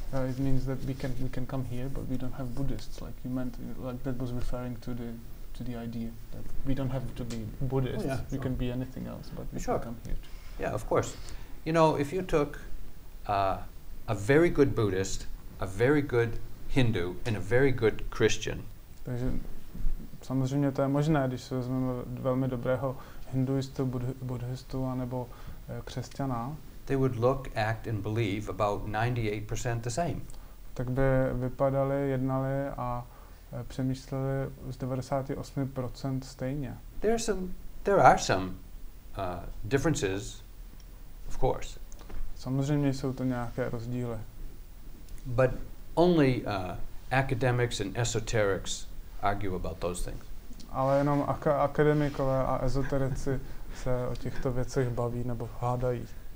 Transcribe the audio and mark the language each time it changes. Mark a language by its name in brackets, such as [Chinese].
[English] It means that we can come here, but we don't have Buddhists. Like you meant, like that was referring to the idea that we don't have to be Buddhists. Oh, yeah, we sure. can be anything else, but we sure. can come here. Yeah, of course. You know, if you took a very good Buddhist, a very good Hindu and a very good Christian. [Czech] Takže samozřejmě to je možné, když se vezmeme velmi dobrého hinduistu, buddhistu a nebo křesťana. [English] They would look, act and believe about 98% the same. [Czech] Tak by vypadali, jednali a přemýšleli z 98% stejně. [English] There are some differences, of course. [Czech] Samozřejmě jsou to nějaké rozdíly. [English] But only academics and esoterics argue about those things. [Czech] Ale jenom akademikové a ezoterici se o těchto věcech baví nebo hádají.